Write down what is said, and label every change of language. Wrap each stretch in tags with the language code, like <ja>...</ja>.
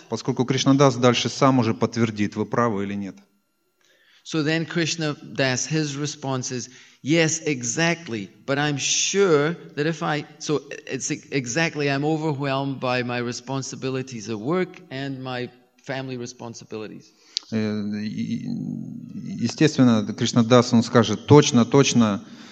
<ru>Поскольку Кришнадас дальше сам уже подтвердит, вы правы или нет.</ru> <en>So then Krishnadas, his response is, yes, exactly, but I'm sure that if I... So it's exactly, I'm overwhelmed by my responsibilities at work and my... family responsibilities.</en> <ru>Естественно, Кришнадас, он скажет, точно, точно.</ru>